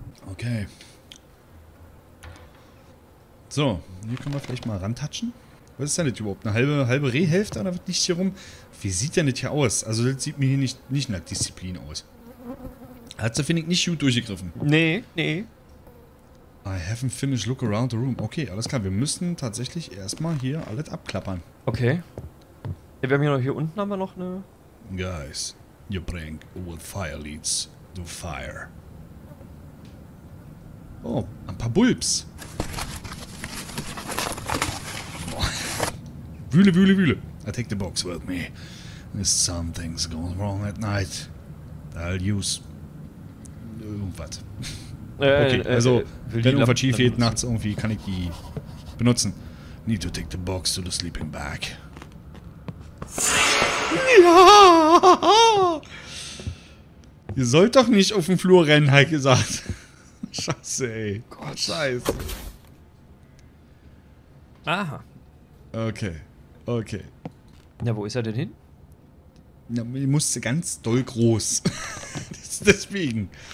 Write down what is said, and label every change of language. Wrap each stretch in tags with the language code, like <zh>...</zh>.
<de>Okay. So, hier können wir vielleicht mal rantatschen. Was ist denn das überhaupt? Eine halbe Rehhälfte oder was liegt hier rum? Wie sieht denn das hier aus? Also das sieht mir hier nicht nach Disziplin aus. Hat sie, finde ich, nicht gut durchgegriffen. Nee.</de> <en>I haven't finished look around the room.</en> <de>Okay, alles klar. Wir müssen tatsächlich erstmal hier alles abklappern. Okay. Ja, wir haben hier noch, hier unten haben wir noch eine...</de> <en>Guys, your prank with fire leads to fire.</en> <de>Oh, ein paar Bulbs. Wühle.</de> <en>I take the box with me. There's something's going wrong at night. I'll use...</en> <de>Irgendwas. Wenn irgendwas schief geht, nachts irgendwie, kann ich die benutzen.</de> <en>Need to take the box to the sleeping bag.</en> <de>Ja! Ihr sollt doch nicht auf den Flur rennen, hat gesagt. Scheiße, ey. Gott, scheiße. Aha. Okay. Okay. Na, wo ist er denn hin? Na, ich musste ganz doll groß. Deswegen.</de>